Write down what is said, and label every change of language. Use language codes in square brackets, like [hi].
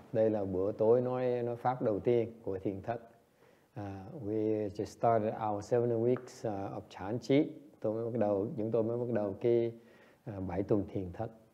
[vi] Đây là bữa tối nói pháp đầu tiên của thiền thất. [en] We just started our 7 weeks of Chan Chi. [vi] Chúng tôi mới bắt đầu cái 7 tuần thiền thất.